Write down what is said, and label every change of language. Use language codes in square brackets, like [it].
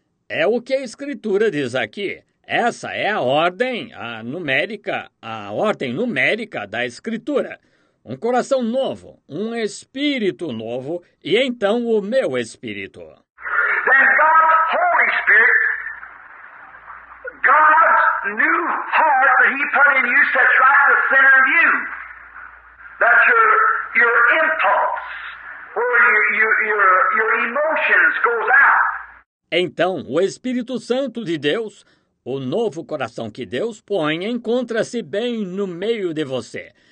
[pt] É o que a Escritura diz aqui. Essa é a ordem, a ordem numérica da Escritura. Um coração novo, um espírito novo, e então o meu espírito. [en] Then God's Holy Spirit, God's new heart that He put in you sets right the center of you. That's your impulse, where your emotions goes out. [pt] Então, o Espírito Santo de Deus, o novo coração que Deus põe, encontra-se bem no meio de você.